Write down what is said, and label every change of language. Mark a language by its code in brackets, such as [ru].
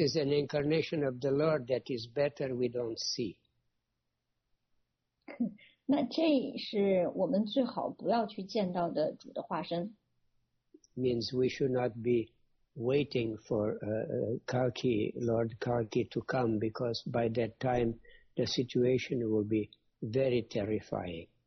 [en] is an incarnation of the Lord that is better we don't see. [zh] 那这是我们最好不要去见到的主的化身。 [en] Means we should not be waiting for Kalki, Lord Kalki to come, because by that time the situation will be very terrifying.